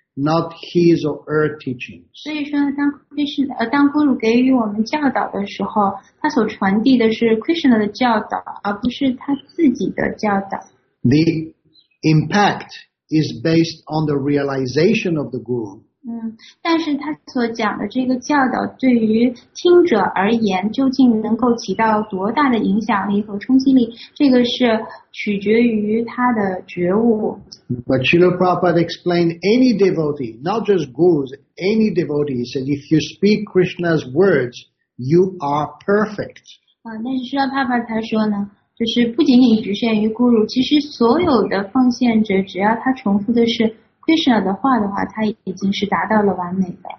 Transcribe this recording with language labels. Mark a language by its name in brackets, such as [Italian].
[English] Not his or her teachings. [Chinese] 所以说当 Guru 给予我们教导的时候，他所传递的是 Krishna 的教导，而不是他自己的教导。 [English] The impact is based on the realization of the Guru. [Chinese] 但是他所讲的这个教导对于听者而言，究竟能够起到多大的影响力和冲击力，这个是取决于他的觉悟。 [English] But Srila Prabhupada explained any devotee, not just gurus, any devotee, he said, if you speak Krishna's words, you are perfect. [Chinese] 但是 Srila Prabhupada 他说呢，就是不仅仅局限于 guru, 其实所有的奉献者，只要他重复的是 Krishna 的话的话，他已经是达到了完美的。